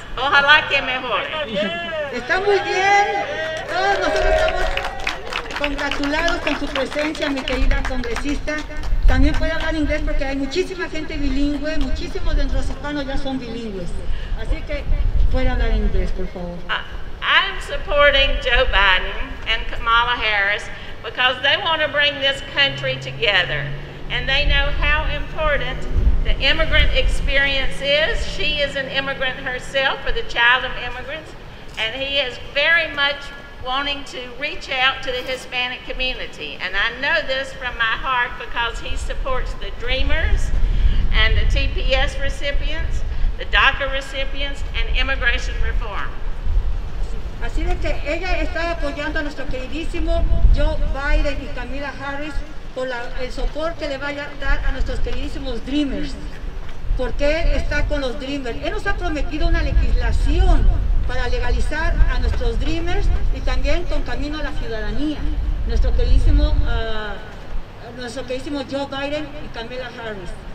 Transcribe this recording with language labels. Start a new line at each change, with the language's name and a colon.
Spanish: Ojalá que mejore. Está muy bien. Todos nosotros estamos congratulados con su presencia, mi querida congresista. También puede hablar inglés porque hay muchísima gente bilingüe, muchísimos de los hispanos ya son bilingües. Así que puede hablar inglés, por favor.
English: I'm supporting Joe Biden and Kamala Harris because they want to bring this country together. And they know how important the immigrant experience is. She is an immigrant herself, or the child of immigrants, and he is very much wanting to reach out to the Hispanic community. And I know this from my heart because he supports the Dreamers and the TPS recipients, the DACA recipients, and immigration reform.
Spanish: Así de que ella está apoyando a nuestro queridísimo Joe Biden y Kamala Harris por el soporte que le vaya a dar a nuestros queridísimos Dreamers, porque está con los Dreamers. Él nos ha prometido una legislación para legalizar a nuestros Dreamers y también con camino a la ciudadanía, nuestro queridísimo Joe Biden y Kamala Harris.